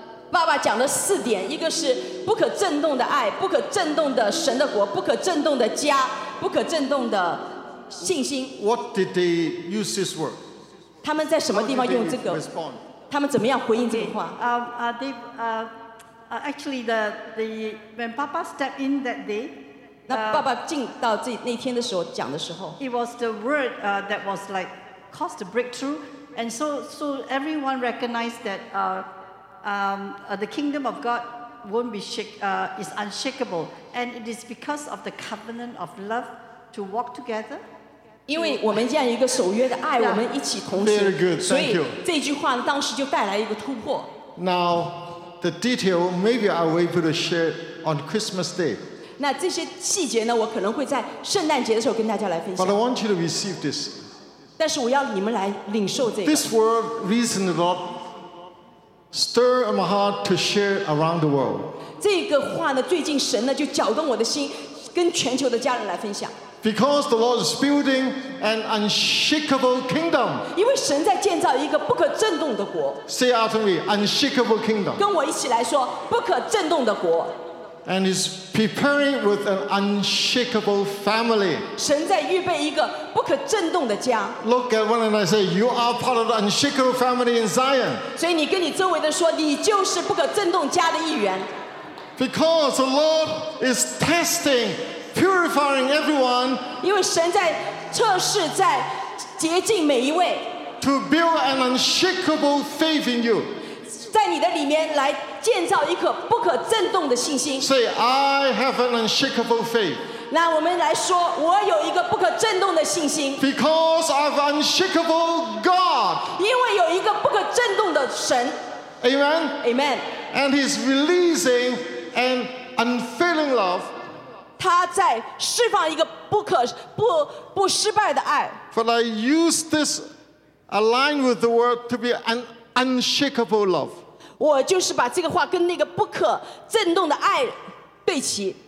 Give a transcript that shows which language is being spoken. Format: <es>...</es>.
<zh>爸爸讲了四点，一个是不可震动的爱，不可震动的神的国，不可震动的家，不可震动的信心。</zh> <en>What did they use this word?</en> <zh>他们在什么地方用这个？他们怎么样回应这个话？</zh> <en>Actually, the when Papa stepped in that day,</en> <zh>那爸爸进到这那天的时候讲的时候</zh> <en>，It was the word that was like caused a breakthrough, and so everyone recognized that the kingdom of God won't be is unshakable, and it is because of the covenant of love to walk together.</en> <zh>因为我们这样一个守约的爱， yeah. 我们一起同行，</zh> <en>Very good,</en> <zh>所以这句话当时就带来一个突破。</zh> <en>Now. The detail maybe I will be able to share on Christmas Day.</en> <zh>那这些细节呢，我可能会在圣诞节的时候跟大家来分享。</zh> <en>But I want you to receive this.</en> <zh>但是我要你们来领受这个。</zh> <en>This word reason the Lord stir my heart to share around the world.</en> <zh>这个话呢，最近神呢就搅动我的心，跟全球的家人来分享。</zh> <en>Because the Lord is building an unshakable kingdom.</en> <zh>因为神在建造一个不可震动的国。</zh> <en>Say after me, unshakable kingdom.</en> <zh>跟我一起来说，不可震动的国。</zh> <en>And is preparing with an unshakable family.</en> <zh>神在预备一个不可震动的家。</zh> <en>Look at one and I say, you are part of the unshakable family in Zion.</en> <zh>所以你跟你周围的说，你就是不可震动家的一员。</zh> <en>Because the Lord is testing. Purifying everyone,</en> <zh>因为神在测试，在洁净每一位。</zh> <en>To build an unshakable faith in you,</en> <zh>在你的里面来建造一颗不可震动的信心。</zh> <en>Say, I have an unshakable faith.</en> <zh>那我们来说，我有一个不可震动的信心。</zh> <en>Because of unshakable God,</en> <zh>因为有一个不可震动的神。</zh> <en>Amen. Amen. And He's releasing an unfailing love.</en> <zh>他在释放一个不失败的爱。</zh> <en>But I use this align with the word to be an unshakable love.</en> <zh>我就是把这个话跟那个不可震动的爱对齐。</zh>